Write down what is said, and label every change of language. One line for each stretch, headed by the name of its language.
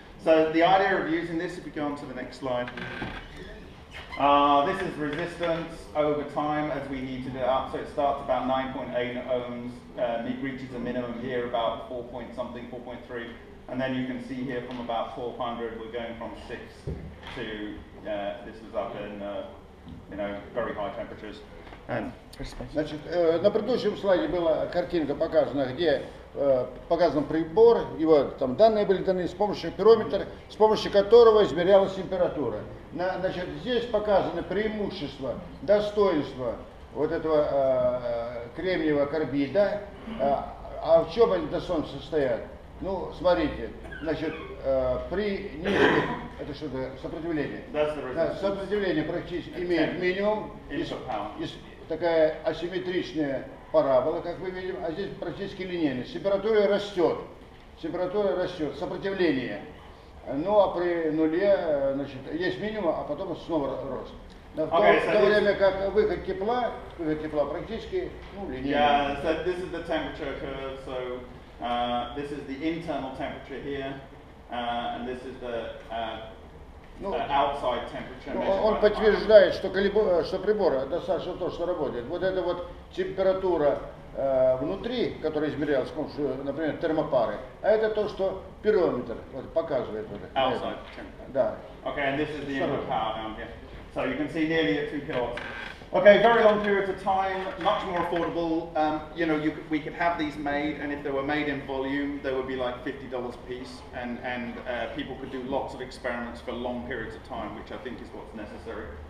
English: So the idea of using this, if you go on to the next slide, this is resistance over time as we heated it up. So it starts about 9.8 ohms, it reaches a minimum here about 4.3. And then you can see here from about 400, we're going from 6 to, this is up in, you know, very high temperatures.
Russian: Значит, на предыдущем слайде была картинка показана, где показан прибор, его там данные были даны с помощью пирометра, с помощью которого измерялась температура. Значит, здесь показаны преимущества, достоинства вот этого кремниевого карбида. А в чем они достоинства состоят? Ну, смотрите, значит, при низком, это что это, сопротивление? Да, сопротивление практически имеет минимум. Такая асимметричная парабола, как мы видим, а здесь практически линейная. Температура растет, сопротивление. Ну а при нуле, значит, есть минимум, а потом снова рост. В то время как выход тепла практически, ну, линейный.
English: Yeah, so this is the temperature curve, so this is the internal temperature here, and this is the outside temperature.
Russian: Он подтверждает, что прибор достаточно точно работает. Вот эта вот температура внутри, которая измерялась с помощью, например, термопары, а это то, что пирометр вот, показывает. Вот,
English: outside temperature.
Russian: Да.
English: Okay, and this is the input power down here. So you can see nearly at 2 kilowatts. Okay, very long periods of time, much more affordable. You know, we could have these made, and if they were made in volume, they would be like $50 a piece, and people could do lots of experiments for long periods of time, which I think is what's necessary.